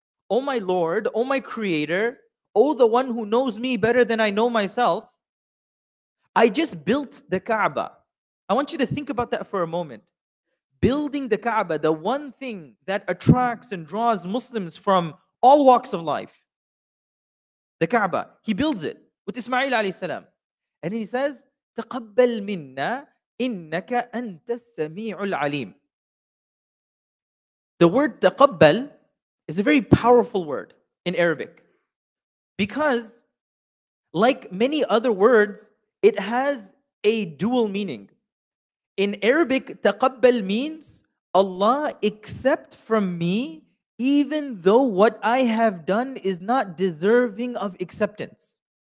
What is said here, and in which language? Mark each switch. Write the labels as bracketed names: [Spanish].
[English] O my Lord, O my Creator, O the one who knows me better than I know myself, I just built the Kaaba. I want you to think about that for a moment. Building the Kaaba, the one thing that attracts and draws Muslims from all walks of life. The Kaaba, he builds it with Ismail alayhi salam. And he says, [Arabic] تَقَبَّلْ مِنَّا إِنَّكَ أَنْتَ السَّمِيعُ الْعَلِيمُ. [English] The word تَقَبَّلْ, it's a very powerful word in Arabic because, like many other words, it has a dual meaning. In Arabic, taqabbal means Allah accept from me even though what I have done is not deserving of acceptance.